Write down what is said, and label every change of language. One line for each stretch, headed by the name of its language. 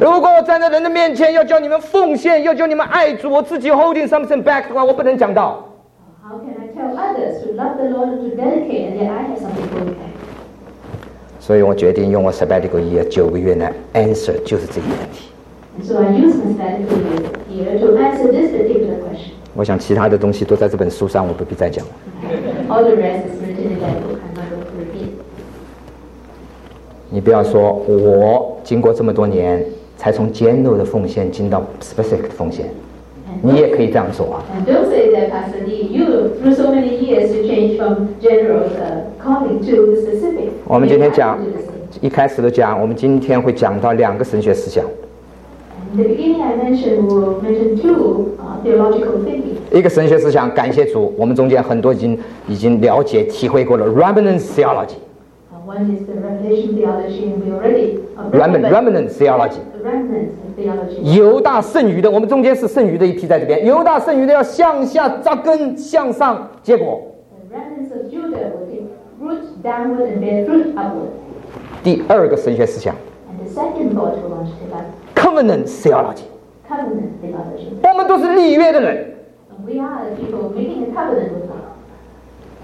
Chinese: 如果我站在人的面前要叫你们奉献要叫你们爱主我自己
English: holding something back
Chinese: 的话我不能讲道
English: How can I tell help others to love the Lord and to dedicate, and yet I have something to dedicate.
Chinese: 所以我决定用我 sabbatical year 九个月来 answer 就是这个问题。
English: And so I use my sabbatical year to answer this particular question.
Chinese: 我想其他的东西都在这本书上，我不必再讲了。
English: All the rest is written in that book. I'm not going to repeat.
Chinese: 你不要说我经过这么多年才从 general 的奉献进到 specific 的奉献，你也可以这样说啊。
English: And don't say that, Pastor Lee. You through so many years you change from general calling to specific.
Chinese: 我们今天讲，一开始都讲，我们今天会讲到两个神学思想。
English: In the beginning, I mentioned two theological thinking.
Chinese: 一个神学思想，感谢主，我们中间很多已经了解、体会过了
English: remnant theology. One is the revelation theology, and we already remnant theology.
Chinese: 犹大剩余的，我们中间是剩余的一批在这边。犹大剩余的要向下扎根，向上结果。
English: The remnants of Judah will take root downward and bear fruit upward.
Chinese: 第二个神学思想。
English: And the second thought we want to develop. Covenant theology. Covenant theology.
Chinese: 我们都是立约的人。
English: We are the people making a covenant with God.